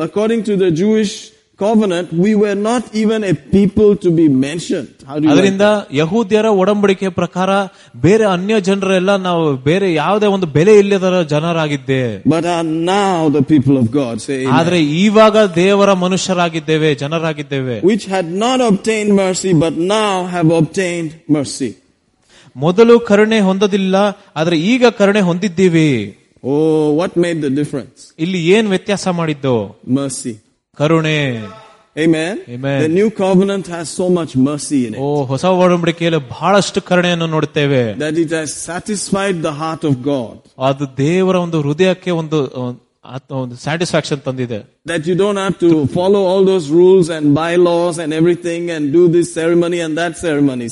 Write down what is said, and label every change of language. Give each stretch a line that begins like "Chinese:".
English: According to the Jewish covenant, we were not even a people to be mentioned. How do you
Kannada: ಅದರಿಂದ ಯಹೂದ್ಯರ ಒಡಂಬಡಿಕೆ ಪ್ರಕಾರ ಬೇರೆ ಅನ್ಯ ಜನರೆಲ್ಲ ನಾವು ಬೇರೆ ಯಾವುದೇ ಒಂದು ಬೆಲೆ ಇಲ್ಲದ ಜನರಾಗಿದ್ದೆ.
English: But now the people of God say,
Kannada: ಆದರೆ ಇವಾಗ ದೇವರ ಮನುಷ್ಯರಾಗಿದ್ದೇವೆ ಜನರಾಗಿದ್ದೇವೆ.
English: Which had not obtained mercy, but now have obtained mercy.
Kannada: ಮೊದಲು ಕರುಣೆ ಹೊಂದಿದ್ದಿಲ್ಲ, ಆದರೆ ಈಗ ಕರುಣೆ ಹೊಂದಿದ್ದೀವಿ.
English: Oh, what made the difference?
Kannada: ಇಲ್ಲಿ ಏನ್ ವ್ಯತ್ಯಾಸ ಮಾಡಿದ್ದು?
English: Mercy.
Kannada: ಕರುಣೆ.
English: Amen. Amen. The new covenant has so much mercy in it.
Kannada: ಓ ಹೊಸ ಒಡಂಬಡಿಕೆಯಲ್ಲಿ ಬಹಳಷ್ಟು ಕರುಣೆಯನ್ನು ನೋಡುತ್ತೇವೆ.
English: That it has satisfied the heart of God.
Kannada: ಅದು ದೇವರ ಒಂದು ಹೃದಯಕ್ಕೆ ಒಂದು ಒಂದು ಸ್ಯಾಟಿಸ್ಫ್ಯಾಕ್ಷನ್ ತಂದಿದೆ.
English: That you don't have to follow all those rules and bylaws and everything and do this ceremony and that ceremony.